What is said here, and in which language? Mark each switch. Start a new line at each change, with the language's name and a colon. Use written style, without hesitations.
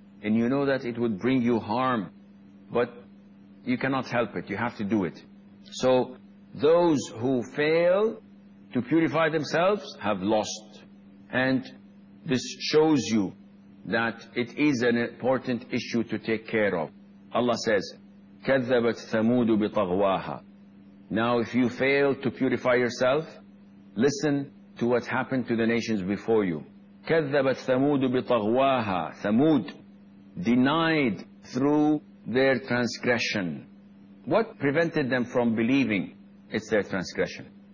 English: And you know that it would bring you harm, but you cannot help it. You have to do it. So those who fail to purify themselves have lost. And this shows you that it is an important issue to take care of.
Arabic: Allah says, كَذَّبَتْ ثَمُودُ بِطَغْوَاهَا.
English: Now if you fail to purify yourself, listen to what happened to the nations before you.
Arabic: كَذَّبَتْ ثَمُودُ بِطَغْوَاهَا.
English: ثَمُود denied through their transgression. What prevented them from believing? It's their transgression.